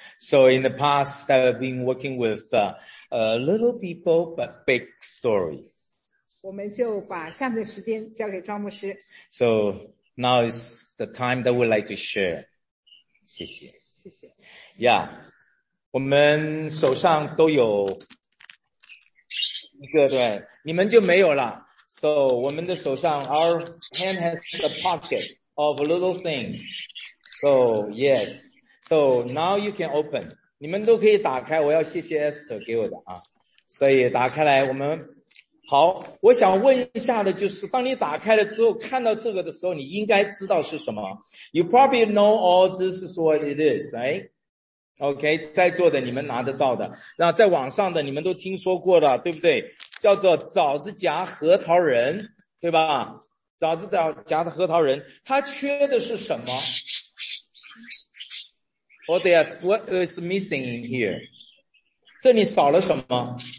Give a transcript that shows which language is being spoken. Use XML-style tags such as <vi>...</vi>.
<en>So in the past I've been working with little people but big story.</en> <zh>我们就把下面的时间交给庄牧师。</zh> <en>So now is the time that we'd like to share.</en> <zh>谢谢。谢谢。 Yeah, 我们手上都有一个，对，你们就没有了。</zh> <en>So</en> <zh>我们的手上</zh> <en>our hand has a pocket of little things. So yes, so now you can open.</en> <zh>你们都可以打开，我要谢谢 Esther 给我的啊。所以打开来，我们好，我想问一下的就是，当你打开了之后看到这个的时候，你应该知道是什么。</zh> <en>You probably know all this is what it is, right?</en> <zh>OK, 在座的你们拿得到的，那在网上的你们都听说过的，对不对？叫做枣子夹核桃仁，对吧？枣子夹的核桃仁，它缺的是什么？</zh> <en>What is missing in here?</en> <zh>这里少了什么？</zh>